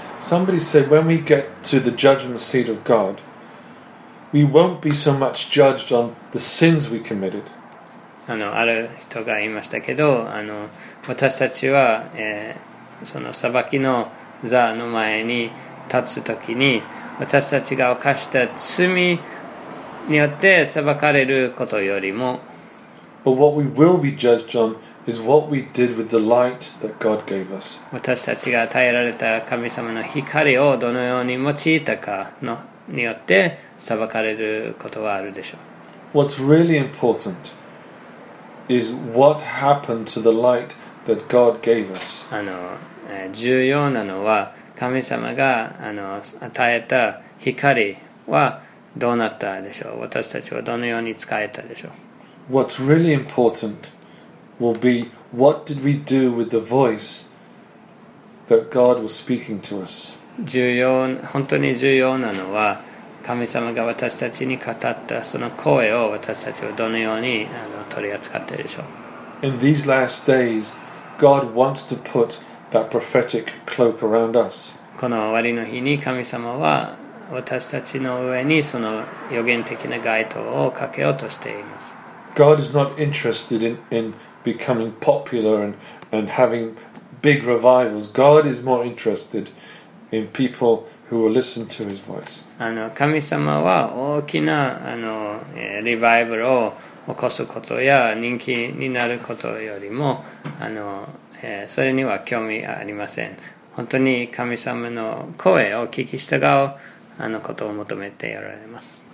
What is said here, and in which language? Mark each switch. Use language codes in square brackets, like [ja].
[en] Somebody said when we get to the judgment seat of God, we won't be so much judged on the sins we committed. [ja] あのある人が言いましたけど、あの私たちは、その裁きの座の前に立つときに私たちが犯した罪によって裁かれることよりも、 [en] But what we will be judged on is what we did with the light that God gave us. [ja] 私たちが与えられた神様の光をどのように用いたかのによって裁かれることはあるでしょう。 [en] What's really important is what happened to the light that God gave us. [ja] あの、重要なのは神様があの与えた光はどうなったでしょう。私たちはどのように使えたでしょう。 [en] What's really important will be what did we do with the voice that God was speaking to us. [ja] 本当に重要なのは神様が私たちに語ったその声を私たちはどのようにあの取り扱ったでしょう。 [en] In these last days, God wants to put that prophetic cloak around us. [ja] この終わりの日に神様は私たちの上にその預言的な街灯をかけようとしています。 [en] God is not interested in becoming popular and having big revivals. God is more interested in people who will listen to his voice. [ja] あの神様は大きなあのリバイバルを起こすことや人気になることよりもあのそれには興味ありません。本当に神様の声を聞き従うあのことを求めておられます。